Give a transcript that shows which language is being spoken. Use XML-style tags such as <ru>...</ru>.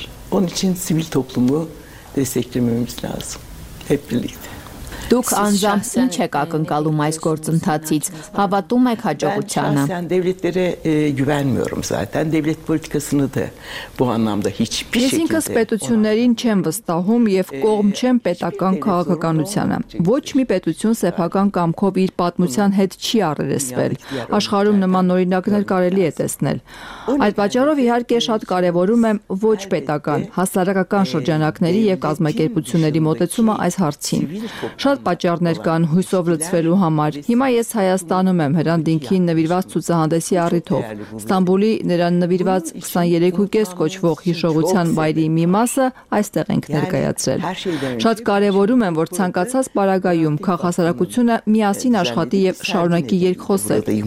<tr>Onun için sivil toplumu desteklememiz lazım. Hep birlikte.</tr> <hy>Դուք անձամբ ինչ եք ակնկալում այս գործընթացից, հավատում եք հաջողությանը։</hy> <tr>Ben şahsen devletlere güvenmiyorum zaten. Devlet politikasını da bu anlamda hiçbir şekilde.</tr> <hy>Ես ինքս պետություններին չեմ վստահում եւ կողմ չեմ պետական քաղաքականությանը։ Ոչ մի պետություն սեփական կամքով իր պատմության հետ չի առերեսվել։ Աշխարհում նման օրինակներ կարելի է տեսնել։ Այդ պատճառով իհարկե շատ կարևորում եմ ոչ պետական, հասարակական շրջանակների եւ կազմակերպությունների մոտեցումը այս հարցին։ Շատ պատճառներ կան հույսով լցվելու համար։ Հիմա ես Հայաստանում եմ Հրանտ Դինքին նվիրված ցուցահանդեսի առիթով։ Ստամբուլի նրան նվիրված 23.5 կոչվող հիշողության վայրի մի մասը այստեղ ենք ներկայացրել։ Շատ կարևորում եմ, որ ցանկացած պարագայում քաղաքասարակությունը միասին աշխատի եւ շարունակի երկխոսել։</hy>